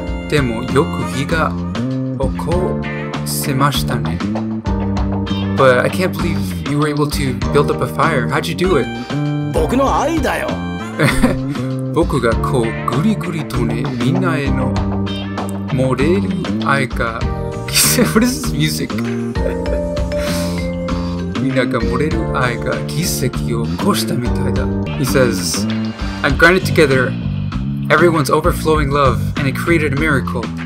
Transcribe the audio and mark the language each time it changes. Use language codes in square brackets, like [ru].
[ja] でもよく火が起こせましたね。 [en] but I can't believe you were able to build up a fire. How'd you do it? [ja] 僕の愛だよ。僕がこうぐりぐりとね、みんなへの漏れる愛が。 [en] What is this music? [ja] みんなが漏れる愛が奇跡を起こしたみたいだ。 [en] He says, I've grinded together everyone's overflowing love and it created a miracle.